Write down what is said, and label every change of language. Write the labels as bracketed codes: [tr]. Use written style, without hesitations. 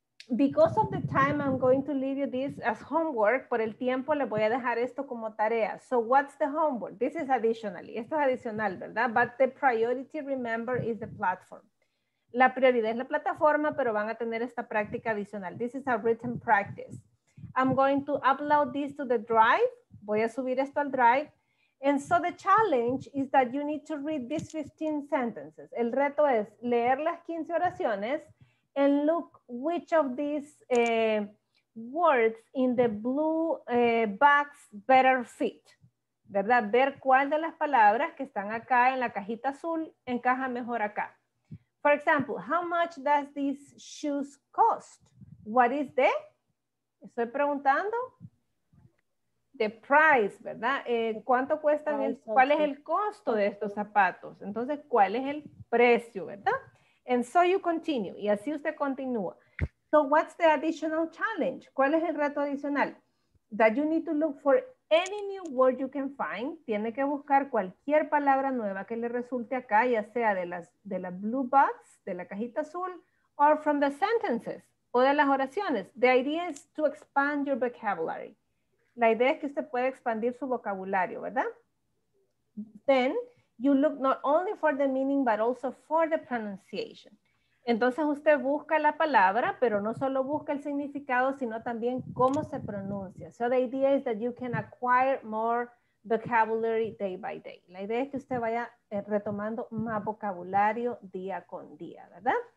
[en] Because of the time, I'm going to leave you this as homework. [es] Por el tiempo, le voy a dejar esto como tarea. [en] So, what's the homework? This is additionally. [es] Esto es adicional, ¿verdad? [en] But the priority, remember, is the platform. [es] La prioridad es la plataforma, pero van a tener esta práctica adicional. [en] This is a written practice. I'm going to upload this to the Drive. [es] Voy a subir esto al Drive. [en] And so the challenge is that you need to read these 15 sentences. [es] El reto es leer las 15 oraciones [en] and look which of these words in the blue box better fit, ¿verdad? [es] Ver cuál de las palabras que están acá en la cajita azul encaja mejor acá. [en] For example, how much does these shoes cost? What is the? [es] Estoy preguntando. [en] The price, [es] ¿verdad? ¿Cuánto cuestan? ¿Cuál es el costo de estos zapatos? Entonces, ¿cuál es el precio, verdad? [en] And so you continue. [es] Y así usted continúa. [en] So what's the additional challenge? [es] ¿Cuál es el reto adicional? [en] That you need to look for any new word you can find. [es] Tiene que buscar cualquier palabra nueva que le resulte acá, ya sea de las [en] blue box, [es] de la cajita azul, [en] or from the sentences, [es] o de las oraciones. [en] The idea is to expand your vocabulary. [es] La idea es que usted pueda expandir su vocabulario, ¿verdad? [en] Then, you look not only for the meaning, but also for the pronunciation. [es] Entonces, usted busca la palabra, pero no solo busca el significado, sino también cómo se pronuncia. [en] So, the idea is that you can acquire more vocabulary day by day. [es] La idea es que usted vaya retomando más vocabulario día con día, ¿verdad?